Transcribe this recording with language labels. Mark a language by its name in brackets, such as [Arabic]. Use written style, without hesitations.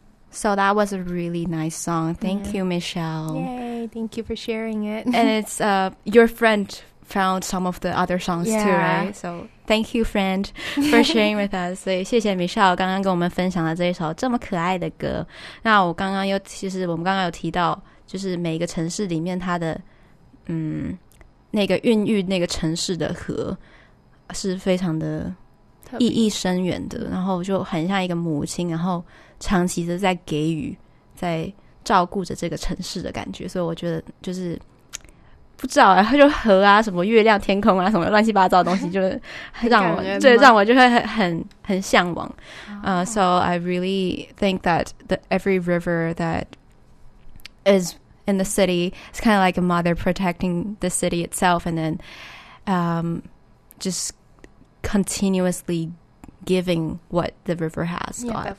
[English] So that was a really nice song. Thank you, Michelle. Yay, thank you for sharing it. And it's your friend found some of the other songs too, right? So thank you, friend, for sharing with us. [Chinese] 所以谢谢 Michelle 刚刚跟我们分享的这一首这么可爱的歌。那我刚刚又其实我们刚刚有提到，就是每一个城市里面它的那个孕育那个城市的河是非常的意义深远的，然后就很像一个母亲，然后长期的在给予，在照顾着这个城市的感觉。所以我觉得就是不知道，然后就河啊，什么月亮、天空啊，什么乱七八糟的东西，就让我对让我就会很向往。 [English] So I really think that every river that is in the city is kind of like a mother protecting the city itself, and then just continuously giving what the river has got.